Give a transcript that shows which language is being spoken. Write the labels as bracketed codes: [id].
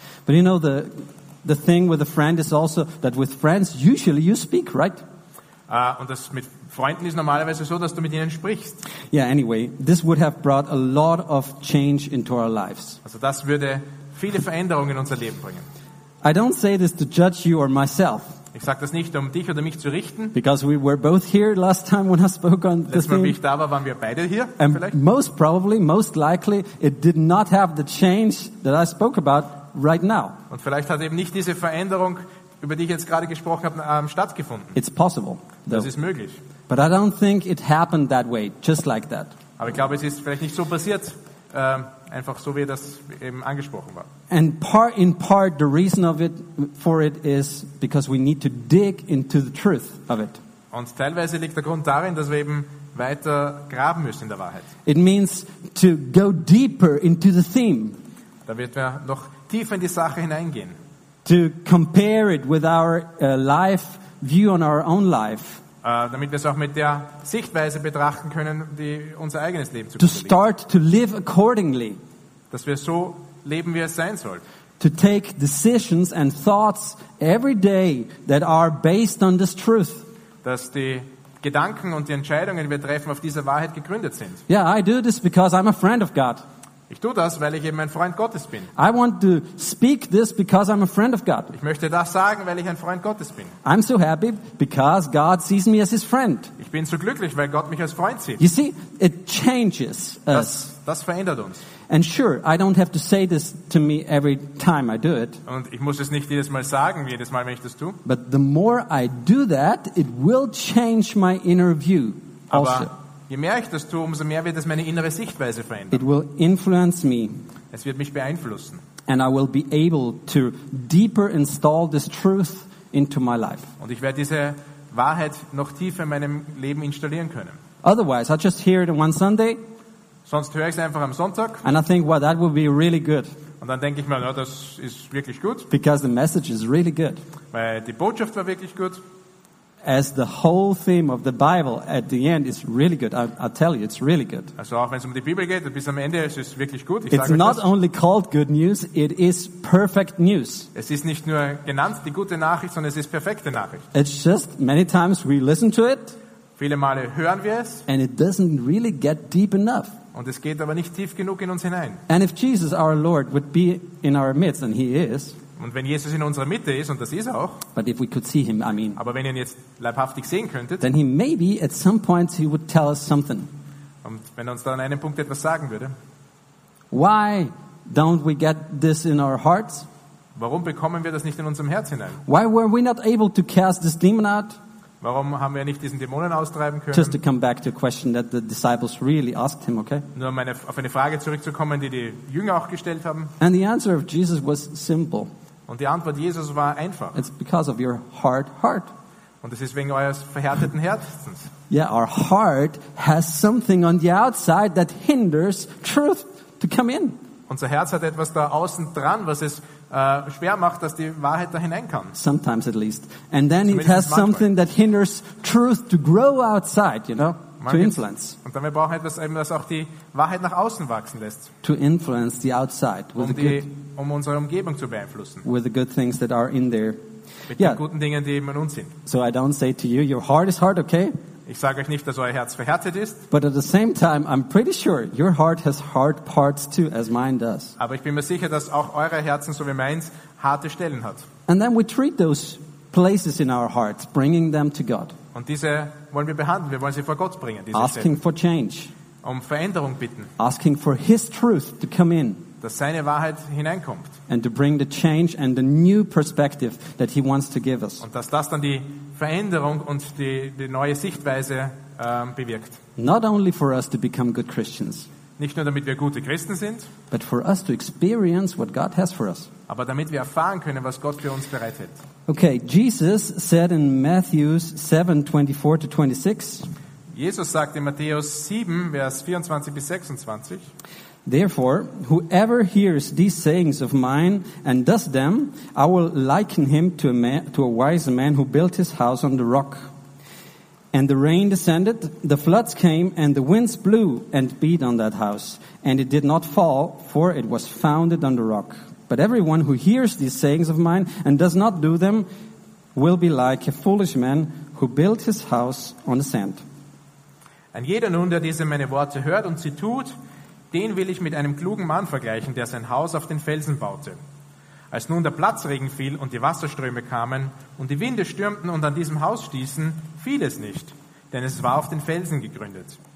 [en] But you know, the thing with a friend is also that with friends usually you speak, right? [de] Und das mit Freunden ist normalerweise so, dass du mit ihnen sprichst. [en] Yeah, anyway, this would have brought a lot of change into our lives. [de] Also das würde viele Veränderungen in unser Leben bringen. [en] I don't say this to judge you or myself. [de] Ich sage das nicht, um dich oder mich zu richten. [en] Because we were both here last time when I spoke on this thing. [de] Letztes Mal, wo ich da war, waren wir beide hier. [en] And [de] vielleicht. [en] Most probably, most likely, it did not have the change that I spoke about right now. [de] Und vielleicht hat eben nicht diese Veränderung, über die ich jetzt gerade gesprochen habe, stattgefunden. [en] It's possible. [de] Das ist möglich. [en] But I don't think it happened that way, just like that. [de] Aber ich glaube, es ist vielleicht nicht so passiert, einfach so, wie das eben angesprochen war. [en] And in part, the reason of it for it is because we need to dig into the truth of it. [de] Und teilweise liegt der Grund darin, dass wir eben weiter graben müssen in der Wahrheit. [en] It means to go deeper into the theme. [de] Da wird man noch tiefer in die Sache hineingehen. [en] To compare it with our life view on our own life. [de] Damit wir es auch mit der Sichtweise betrachten können, die unser eigenes Leben zu [en] To start to live accordingly. [de] Dass wir so leben, wie es sein soll. [en] To take decisions and thoughts every day that are based on this truth. [de] Dass die Gedanken und die Entscheidungen, die wir treffen, auf dieser Wahrheit gegründet sind. [en] Yeah, I do this because I'm a friend of God. [de] Ich tue das, weil ich eben ein Freund Gottes bin. [en] I want to speak this because I'm a friend of God. [de] Ich möchte das sagen, weil ich ein Freund Gottes bin. [en] I'm so happy because God sees me as his friend. [de] Ich bin so glücklich, weil Gott mich als Freund sieht. [en] You see, it changes us. [de] Das verändert uns. [en] And sure, I don't have to say this to me every time I do it. [de] Und ich muss es nicht jedes Mal sagen, jedes Mal, wenn ich das tue. [en] But the more I do that, it will change my inner view also. [de] Aber je mehr ich das tue, umso mehr wird es meine innere Sichtweise verändern. [en] It will influence me. [de] Es wird mich beeinflussen. [en] And I will be able to deeper install this truth into my life. [de] Und ich werde diese Wahrheit noch tiefer in meinem Leben installieren können. [en] Otherwise, I just hear it on one Sunday. [de] Sonst höre ich es einfach am Sonntag. [en] And I think, well, that would be really good. [de] Und dann denke ich mir, no, das ist wirklich gut. [en] Because the message is really good. [de] Weil die Botschaft war wirklich gut. [en] As the whole theme of the Bible at the end is really good. I tell you, it's really good. [de] Also auch wenn es die Bibel geht, bis am Ende ist es wirklich gut. Ich [en] it's not only called good news, it is perfect news. [de] Es ist nicht nur genannt die gute Nachricht, sondern es ist perfekte Nachricht. [en] It's just many times we listen to it. [de] Viele Male hören wir es. [en] And it doesn't really get deep enough. [de] Und es geht aber nicht tief genug in uns hinein. [en] And if Jesus, our Lord, would be in our midst, and he is. [de] Und wenn Jesus in unserer Mitte ist, und das ist er auch. [en] But if we could see him, I mean. [de] Aber wenn ihr ihn jetzt leibhaftig sehen könntet. [en] Then he maybe at some point he would tell us something. [de] Und wenn er uns dann an einem Punkt etwas sagen würde. [en] Why don't we get this in our hearts? [de] Warum bekommen wir das nicht in unserem Herz hinein? [en] Why were we not able to cast this demon out? [de] Warum haben wir nicht diesen Dämonen austreiben können? [en] Just to come back to a question that the disciples really asked him, okay? [de] Nur um auf eine Frage zurückzukommen, die Jünger auch gestellt haben. [en] And the answer of Jesus was simple. [de] Und die Antwort Jesus war einfach. [en] It's because of your hard heart. [de] Und es ist wegen eures verhärteten Herzens. [en] Yeah, our heart has something on the outside that hinders truth to come in. [de] Unser Herz hat etwas da außen dran, was es schwer macht, dass die Wahrheit da hinein kann. [en] Sometimes at least. And then it has something that hinders truth to grow outside, you know, to influence. [de] Und dann wir brauchen etwas, das auch die Wahrheit nach außen wachsen lässt. [en] To influence the outside with the good. [de] Um unsere Umgebung zu beeinflussen. [en] With the good things that are in there. [de] Mit den guten Dingen, die eben in uns sind. [en] So I don't say to you, your heart is hard, okay? [de] Ich sage euch nicht, dass euer Herz verhärtet ist. [en] But at the same time, I'm pretty sure your heart has hard parts too, as mine does. [de] Aber ich bin mir sicher, dass auch eure Herzen, so wie meins, harte Stellen hat. [en] And then we treat those places in our hearts, bringing them to God. [de] Und diese wollen wir behandeln. Wir wollen sie vor Gott bringen. Diese [en] Asking [de] Stellen. [en] For change. [de] Um Veränderung bitten. [en] Asking for His truth to come in. [de] Dass seine Wahrheit hineinkommt. [en] And to bring the change and the new perspective that he wants to give us. [de] Und dass das dann die Veränderung und die neue Sichtweise bewirkt. [en] Not only for us to become good Christians. [de] Nicht nur damit wir gute Christen sind. [en] But for us to experience what God has for us. [de] Aber damit wir erfahren können, was Gott für uns bereithält. [en] Okay, Jesus said in Matthew 7:24-26. [de] Jesus sagt in Matthäus 7, Vers 24 bis 26. [en] Therefore, whoever hears these sayings of mine and does them, I will liken him to a wise man who built his house on the rock. And the rain descended, the floods came, and the winds blew and beat on that house. And it did not fall, for it was founded on the rock. But everyone who hears these sayings of mine and does not do them will be like a foolish man who built his house on the sand. [de] Und jeder nun, der diese meine Worte hört und sie tut, den will ich mit einem klugen Mann vergleichen, der sein Haus auf den Felsen baute. Als nun der Platzregen fiel und die Wasserströme kamen und die Winde stürmten und an diesem Haus stießen, fiel es nicht, denn es war auf den Felsen gegründet.